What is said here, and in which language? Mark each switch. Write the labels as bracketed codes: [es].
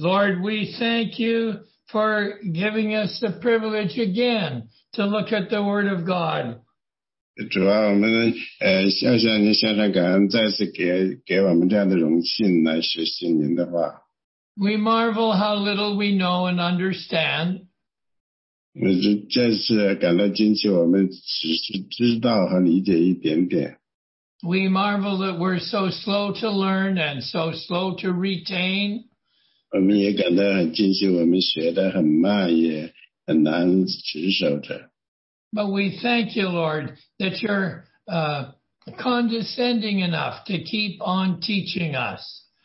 [en] Lord, we thank you for giving us the privilege again to look at the Word of God. [zh] 主啊,我们向向你,向上感恩,再次给我们这样的荣幸来学习您的话。 [en] We marvel how little we know and understand. [zh] 这次感到惊奇,我们只是知道和理解一点点。 [en] We marvel that we're so slow to learn and so slow to retain. [zh] 我们也感到很惊奇,我们学得很慢,也很难持守着。 [en] But we thank you, Lord, that you're condescending enough to keep on teaching us.